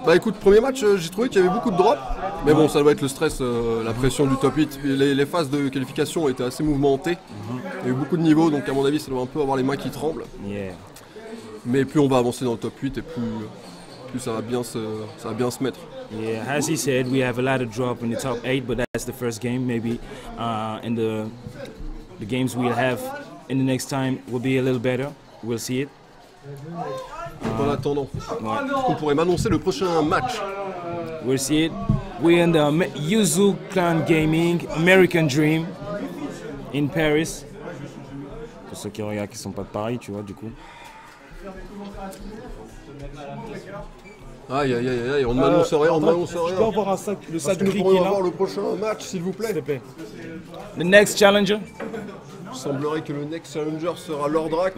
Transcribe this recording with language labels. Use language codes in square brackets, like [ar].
[fr] Bah écoute, premier match, j'ai trouvé qu'il y avait beaucoup de drops. Mais bon, ça doit être le stress, la pression du top 8. Les phases de qualification étaient assez mouvementées. Il y a eu beaucoup de niveaux, donc à mon avis, ça doit un peu avoir les mains qui tremblent. [en] Yeah. [fr] Mais plus on va avancer dans le top 8 et plus ça va bien se mettre. [en] Yeah, as he said, we have a lot of drop in the top 8, but that's the first game. Maybe in the games we'll have in the next time will be a little better. We'll see it. [fr] En attendant, on pourrait m'annoncer le prochain match. [en] We'll see it. We're in the Yuzu Clan Gaming American Dream in Paris. [fr] Pour ceux qui regardent, qui sont pas de Paris, tu vois, du coup. Aïe, aïe, aïe, aïe, on m'annonce rien. Je peux avoir un sac, le sac de riz. Je pourrais avoir le prochain match, s'il vous plaît. [en] The next challenger. [fr] Il semblerait que le next challenger sera Lord Drak.